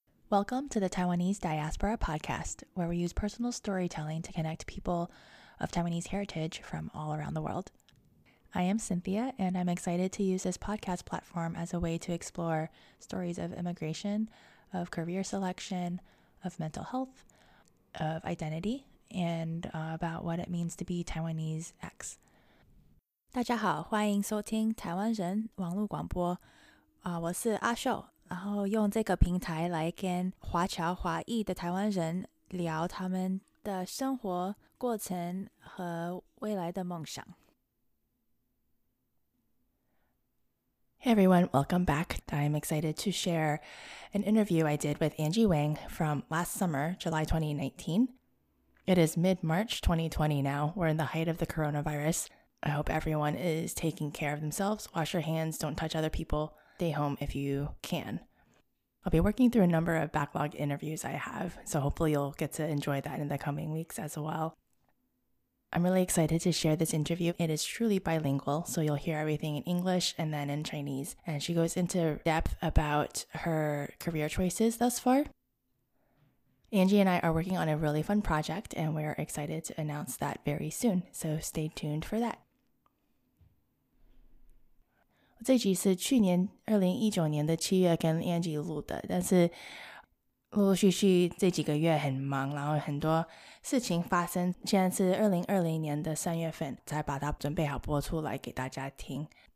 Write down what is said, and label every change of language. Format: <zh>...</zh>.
<en>Welcome to the Taiwanese Diaspora Podcast, where we use personal storytelling to connect people of Taiwanese heritage from all around the world. I am Cynthia, and I'm excited to use this podcast platform as a way to explore stories of immigration, of career selection, of mental health, of identity, and about what it means to be Taiwanese X.</en> <zh>大家好，欢迎收听台湾人网络广播，我是阿秀。然后用这个平台来跟华侨华裔的台湾人聊他们的生活过程和未来的梦想。</zh> <en>Hey everyone, welcome back. I'm excited to share an interview I did with Angie Wang from last summer, July 2019. It is mid-March 2020 now. We're in the height of the coronavirus. I hope everyone is taking care of themselves. Wash your hands, don't touch other people. Stay home if you can. I'll be working through a number of backlog interviews I have, so hopefully you'll get to enjoy that in the coming weeks as well. I'm really excited to share this interview. It is truly bilingual, so you'll hear everything in English and then in Chinese. And she goes into depth about her career choices thus far. Angie and I are working on a really fun project, and we're excited to announce that very soon. So stay tuned for that.</en> <zh>这集是去年2019年的7月跟 Angie 录的，但是陆陆续续这几个月很忙，然后很多事情发生，现在是2020年的3月份才把它准备好播出来给大家听。</zh>